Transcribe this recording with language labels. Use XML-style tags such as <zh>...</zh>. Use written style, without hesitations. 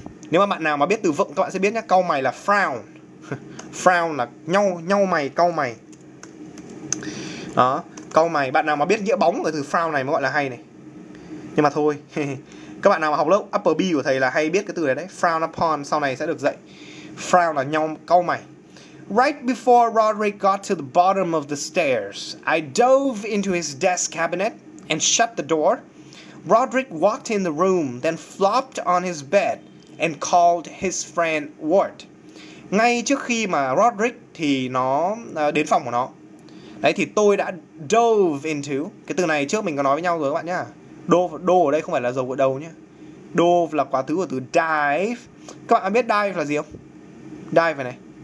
<vi>Nếu mà bạn nào mà biết từ vựng các bạn sẽ biết nhá, cau mày là frown. Frown là nhau mày, cau mày. Đó, cau mày. Bạn nào mà biết nghĩa bóng của từ frown này mới gọi là hay này. Nhưng mà thôi. Các bạn nào mà học lớp upper B của thầy là hay biết cái từ này đấy, frown upon, sau này sẽ được dạy. Frown là nhau, cau mày.</vi> <en>Right before Roderick got to the bottom of the stairs, I dove into his desk cabinet and shut the door, Roderick walked in the room, then flopped on his bed and called his friend Ward.</en> <vi>Ngay trước khi mà Roderick thì nó đến phòng của nó. Đấy thì tôi đã dove into. Cái từ này trước mình có nói với nhau rồi các bạn nhá. Dove, dove ở đây không phải là dầu gội đầu nhá. Dove là quá khứ của từ dive. Các bạn biết dive là gì không? Dive này.</vi>